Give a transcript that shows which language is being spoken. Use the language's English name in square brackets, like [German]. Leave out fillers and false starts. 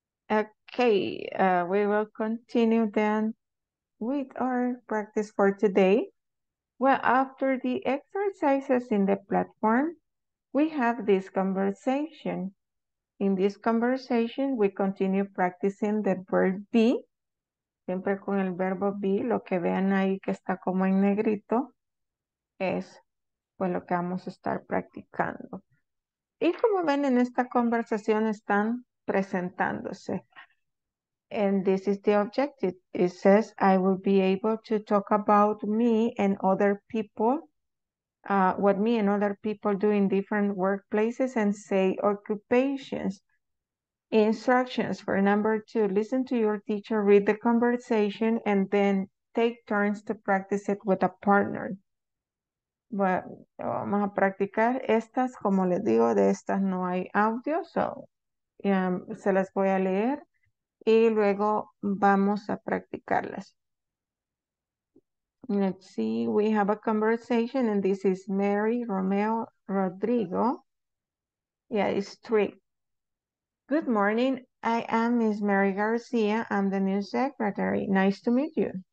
[English] Okay, we will continue then with our practice for today. Well, after the exercises in the platform, we have this conversation. In this conversation, we continue practicing the verb be. [Spanish] Siempre con el verbo be, lo que vean ahí que está como en negrito, es pues, lo que vamos a estar practicando. Y como ven, en esta conversación están presentándose. [English] And this is the objective. It says, I will be able to talk about me and other people, what me and other people do in different workplaces and say occupations. Instructions for number two, listen to your teacher, read the conversation, and then take turns to practice it with a partner. [Spanish] Bueno, vamos a practicar estas, como les digo, de estas no hay audio, so se las voy a leer. Y luego vamos a practicarlas. [English] Let's see, we have a conversation and this is Mary Romeo Rodrigo. Yeah, it's three. Good morning, I am Ms. Mary Garcia. I'm the new secretary. Nice to meet you.